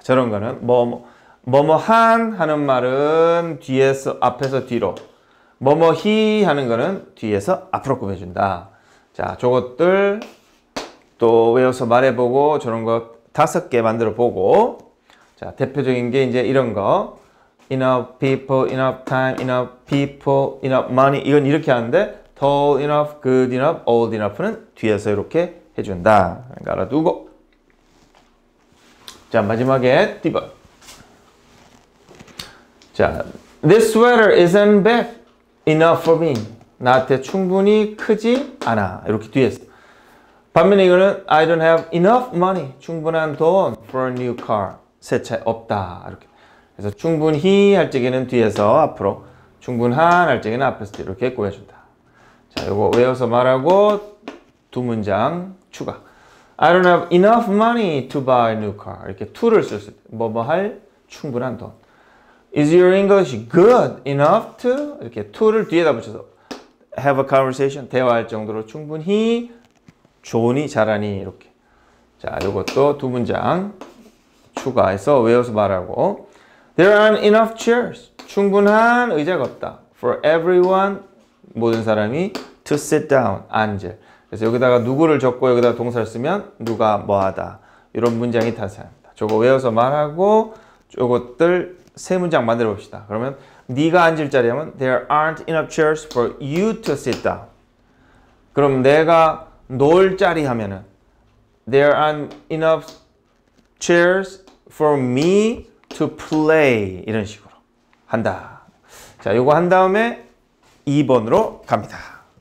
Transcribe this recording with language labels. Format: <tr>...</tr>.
<ko>저런 거는 뭐뭐한 하는 말은 뒤에서 앞에서 뒤로, 뭐뭐히 하는 거는 뒤에서 앞으로 꾸며준다. 자, 저것들 또 외워서 말해보고 저런 거 다섯 개 만들어 보고. 자, 대표적인 게 이제 이런 거</ko> <en>enough people, enough time, enough people, enough money.</en> <ko>이건 이렇게 하는데</ko> <en>tall enough, good enough, old enough</en> <ko>는 뒤에서 이렇게 해준다. 그러니까 알아두고. 자, 마지막에 D번.</ko> <en>자, this sweater isn't big enough for me.</en> <ko>나한테 충분히 크지 않아. 이렇게 뒤에서. 반면에 이거는</ko> <en>I don't have enough money.</en> <ko>충분한 돈</ko> <en>for a new car.</en> <ko>새 차 없다. 이렇게. 그래서 충분히 할 적에는 뒤에서 앞으로, 충분한 할 적에는 앞에서 이렇게 꾸며준다. 자, 이거 외워서 말하고 두 문장 추가.</ko> <en>I don't have enough money to buy a new car.</en> <ko>이렇게 to를 쓸 수 있다. 뭐뭐 할 충분한 돈.</ko> <en>Is your English good enough to?</en> <ko>이렇게 to를 뒤에다 붙여서</ko> <en>have a conversation,</en> <ko>대화할 정도로 충분히 좋으니 잘하니 이렇게. 자, 이것도 두 문장 추가해서 외워서 말하고.</ko> <en>There aren't enough chairs.</en> <ko>충분한 의자가 없다.</ko> <en>For everyone,</en> <ko>모든 사람이</ko> <en>to sit down,</en> <ko>앉을. 그래서 여기다가 누구를 적고 여기다가 동사를 쓰면 누가 뭐하다 이런 문장이 탄생합니다. 저거 외워서 말하고 저것들 세 문장 만들어 봅시다. 그러면 네가 앉을 자리 하면</ko> <en>There aren't enough chairs for you to sit down.</en> <ko>그럼 내가 놀 자리 하면은</ko> <en>There aren't enough chairs for me to play.</en> <ko>이런 식으로 한다. 자, 이거 한 다음에 2번으로 갑니다.</ko>